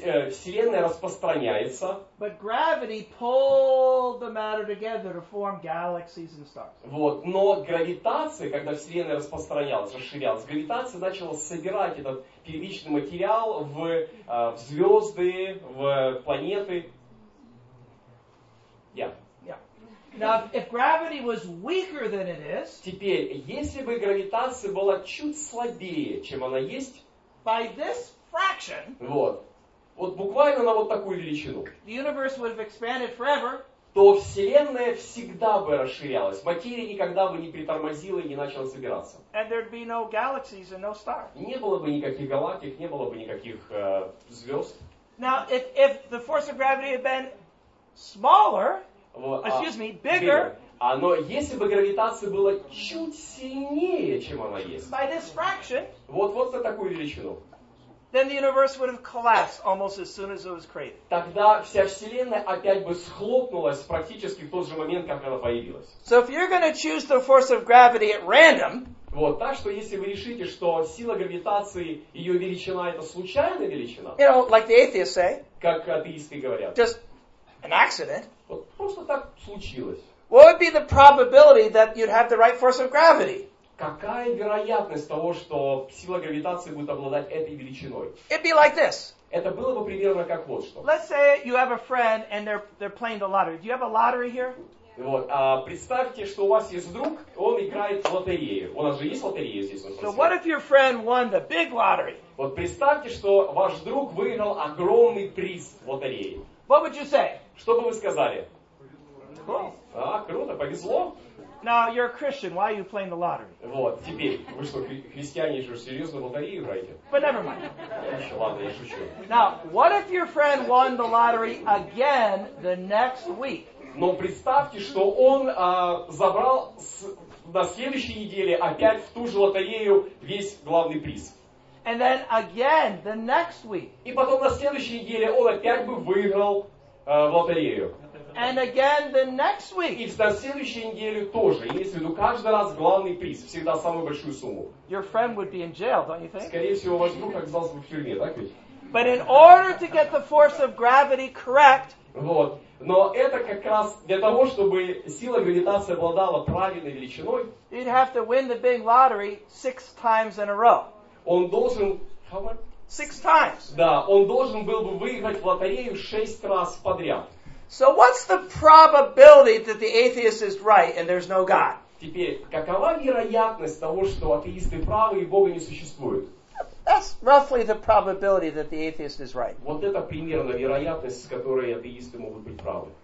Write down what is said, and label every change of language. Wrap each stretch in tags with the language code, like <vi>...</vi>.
<ru>Вселенная распространяется,</ru> <en>but gravity pulled the matter together to form galaxies and stars.</en> <ru>Вот, но гравитация, когда Вселенная распространялась, расширялась, гравитация начала собирать этот первичный материал в звезды, в планеты.</ru> <en>Now, if gravity was weaker than it is,</en> <ru>теперь, если бы гравитация была чуть слабее, чем она есть,</ru> <en>by this fraction,</en> <ru>вот буквально на вот такую величину,</ru> <en>the universe would have expanded forever,</en> <ru>то Вселенная всегда бы расширялась, материя никогда бы не притормозила и не начала собираться.</ru> <en>And there'd be no galaxies and no stars.</en> <ru>Не было бы никаких галактик, не было бы никаких звезд.</ru> <en>Now, if the force of gravity had been smaller, bigger.</en> <ru>Но если бы гравитация была чуть сильнее, чем она есть.</ru> <en>By this fraction.</en> <ru>Вот на такую величину.</ru> <en>Then the universe would have collapsed almost as soon as it was created.</en> <ru>Тогда вся Вселенная опять бы схлопнулась практически в тот же момент, как она появилась.</ru> <en>So if you're going to choose the force of gravity at random.</en> <ru>Вот, так что если вы решите, что сила гравитации, ее величина это случайная величина.</ru> <en>You know, like the atheists say.</en> <ru>Как атеисты говорят.</ru> <en>Just an accident.</en> <ru>Вот просто так случилось.</ru> <en>What would be the probability that you'd have the right force of gravity?</en> <ru>Какая вероятность того, что сила гравитации будет обладать этой величиной?</ru> <en>It'd be like this.</en> <ru>Это было бы примерно как вот что.</ru> <en>Let's say you have a friend and they're playing the lottery. Do you have a lottery here? Yeah.</en> <ru>Вот. Представьте, что у вас есть друг, он играет в лотерею. У нас же есть лотерея здесь.</ru> <en>So what if your friend won the big lottery?</en> <ru>Вот представьте, что ваш друг выиграл огромный приз в лотерее.</ru> <en>What would you say?</en> <ru>Что бы вы сказали?</ru> <en>Cool.</en> <ru>Круто, повезло.</ru> <en>Now you're a Christian. Why are you playing the lottery?</en> <ru>Вот теперь вы что, христиане, же серьезно лотерею играете?</ru> <en>But never mind.</en> <ru>Еще ладно, я шучу.</ru> <en>Now, what if your friend won the lottery again the next week?</en> <ru>Но представьте, что он забрал на следующей неделе опять в ту же лотерею весь главный приз.</ru> <en>And then again the next week.</en> <ru>И потом на следующей неделе он опять бы выиграл лотерею.</ru> <en>And again the next week.</en> <ru>И на следующей неделе тоже. Имеется в виду каждый раз главный приз, всегда самую большую сумму.</ru> <en>Your friend would be in jail, don't you think?</en> <ru>Скорее всего, ваш друг оказался бы в тюрьме, так ведь?</ru> <en>But in order to get the force of gravity correct.</en> <ru>Вот. Но это как раз для того, чтобы сила гравитации обладала правильной величиной.</ru> <en>You'd have to win the big lottery 6 times in a row.</en> <ru>Он должен...</ru> <en>How much? 6 times.</en> <ru>Да, он должен был бы выиграть в лотерею 6 раз подряд.</ru> <en>So what's the probability that the atheist is right and there's no God?</en> <ru>Теперь, какова вероятность того, что атеисты правы и Бога не существует?</ru> <en>That's roughly the probability that the atheist is right.</en> <ru>Вот это примерно вероятность, с которой атеисты могут быть правы.</ru>